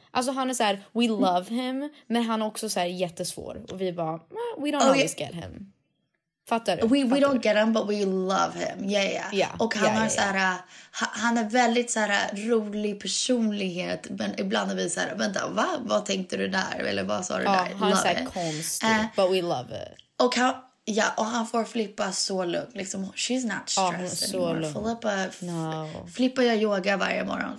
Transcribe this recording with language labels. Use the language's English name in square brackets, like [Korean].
[Swedish] Alltså han är så här, [English] we love him, [Swedish] men han är också så här jättesvår. Och vi bara, [English] we don't always get him. [Swedish] Fattar du? [English] We don't get him, but we love him. Yeah, yeah. [Swedish] Och han har så här, han är väldigt så här rolig personlighet. Men ibland är vi så här, vänta, vad tänkte du där? Eller vad sa du där? Han är så här konstig, [English] but we love it. [Swedish] Och han... Ja, och han får Filippa så lugn. Liksom, [English] she's not stressed anymore. [Swedish] Filippa, Filippa gör yoga varje morgon.